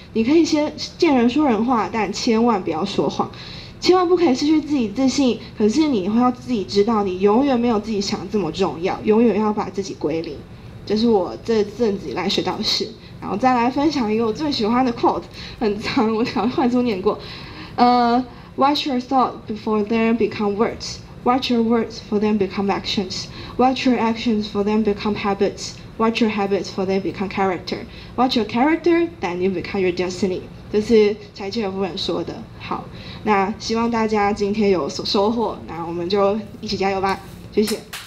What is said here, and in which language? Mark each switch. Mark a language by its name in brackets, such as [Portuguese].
[Chinese] 你可以先见人说人话，但千万不要说谎。千万不可以失去自己自信，可是你会要自己知道，你永远没有自己想这么重要，永远要把自己归零。这是我这阵子以来学到的事，然后再来分享一个我最喜欢的 quote， 很长，我想快速念过。 [English] Watch your thoughts before they become words. Watch your words for them become actions. Watch your actions for them become habits. Watch your habits for them become character. Watch your character, then you become your destiny. [Chinese] 这是柴切尔夫人说的。好，那希望大家今天有所收获，那我们就一起加油吧，谢谢。